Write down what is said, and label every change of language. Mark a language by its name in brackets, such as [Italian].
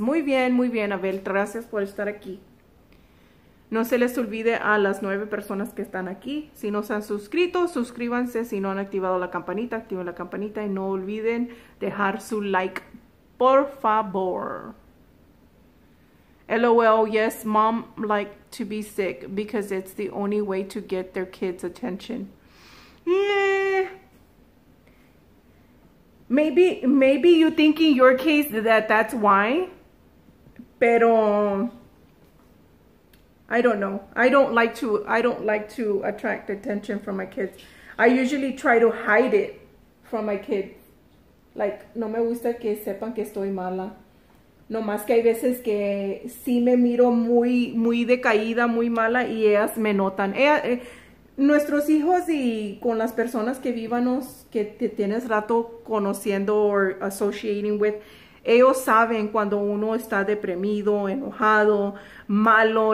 [Spanish] Muy bien, Abel. Gracias por estar aquí. No se les olvide a las 9 personas que están aquí. Si no se han suscrito, suscríbanse. Si no han activado la campanita, activen la campanita. Y no olviden dejar su like, por favor. [English] LOL, yes, mom like to be sick because it's the only way to get their kids' attention. Yeah. Maybe you think in your case that's why. Pero I don't know. I don't like to attract attention from my kids. I usually try to hide it from my kids. [Spanish] Like, no me gusta que sepan que estoy mala. No más que hay veces que sí me miro muy, muy decaída, muy mala y ellas me notan. Nuestros hijos y con las personas que vivamos, que te tienes rato conociendo [English] or associating with, [Spanish] ellos saben cuando uno está deprimido, enojado, malo.